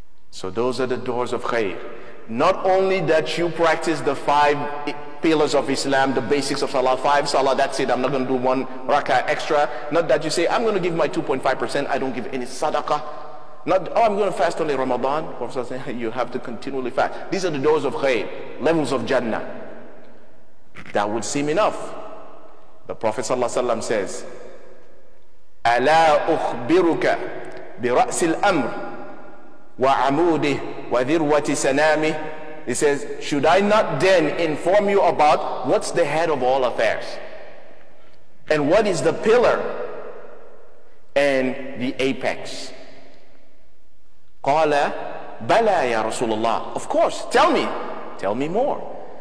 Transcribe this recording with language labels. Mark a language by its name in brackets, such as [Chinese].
[English] So those are the doors of khair. Not only that you practice the five pillars of Islam, the basics of salah, five salah, that's it, I'm not going to do one rakah extra. Not that you say, I'm going to give my 2.5%, I don't give any sadaqah. Not, oh, I'm going to fast only Ramadan. Prophet says, you have to continually fast. These are the doors of khair, levels of Jannah. That would seem enough. The Prophet ﷺ says, [Arabic] "Ala أخبرك برأس الأمر وعموده وذروة سنامه." [English] He says, "Should I not then inform you about what's the head of all affairs and what is the pillar and the apex. [Arabic] قَالَ بَلَى يَا رَسُولَ اللَّهِ [English] Of course, tell me more.